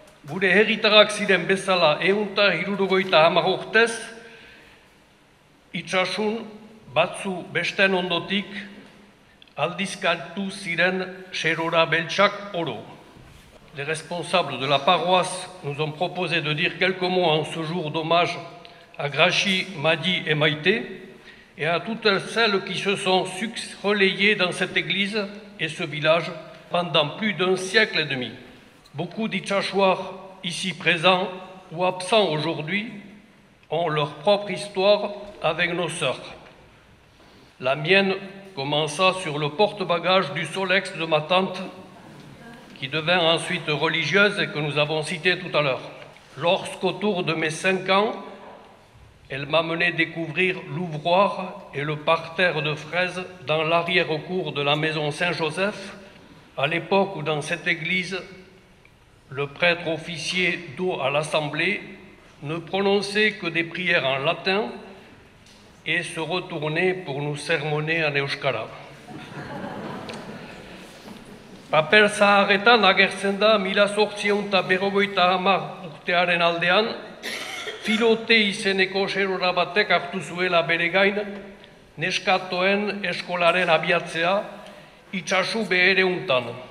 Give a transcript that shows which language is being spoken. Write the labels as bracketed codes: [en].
[eu] Gure herritarrak ziren bezala 1970 urtez, itxasun batzu besten ondotik, aldizkatu ziren xerora beltsak oro. [fr] Les responsables de la paroisse nous ont proposé de dire quelques mots en ce jour d'hommage à Grasi, Maji et Maite et à toutes celles qui se sont relayées dans cette église et ce village pendant plus d'un siècle et demi. Beaucoup d'Itchachouars ici présents ou absents aujourd'hui ont leur propre histoire avec nos sœurs. La mienne commença sur le porte-bagage du Solex de ma tante, qui devint ensuite religieuse et que nous avons citée tout à l'heure. Lorsqu'autour de mes 5 ans, elle m'a mené découvrir l'ouvroir et le parterre de fraises dans l'arrière-cour de la maison Saint-Joseph, à l'époque où dans cette église, le prêtre officier d'eau à l'assemblée ne prononçait que des prières en latin et se retourner pour nous sermonner en euskara. [eu] Paper zaharretan agertzen da 1850 urtearen aldean, Filote izeneko xerora batek hartu zuela bere gain, neskatoen eskolaren abiatzea itxasu behere untan.